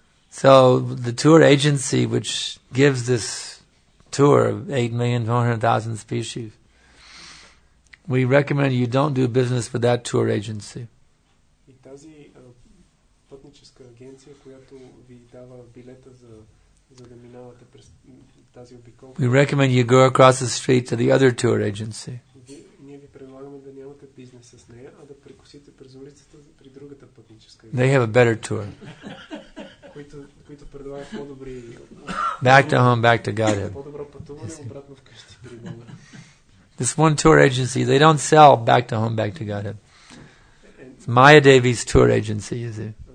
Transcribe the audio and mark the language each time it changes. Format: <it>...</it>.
<en>So the tour agency which gives this tour of 8,400,000 species We recommend you don't do business with that tour agency.</en> <bg>И тази пътническа агенция, която ви дава билета за да минавате през тази обиколка.</bg> <en>We recommend you go across the street to the other tour agency.</en> <bg>Ние ви предлагаме да нямате бизнес с нея, а да прекусите през улицата при другата пътническа агенция.</bg> <en>They have a better tour.</en> <bg>Които предлагат по-добри.</bg> <en>Back to home, back to Godhead.</en> <bg>По-добро пътуване обратно вкъщи при Бога.</bg> <en>This one tour agency, they don't sell back to home, back to Godhead. It's Maya Devi's tour agency, you see.</en>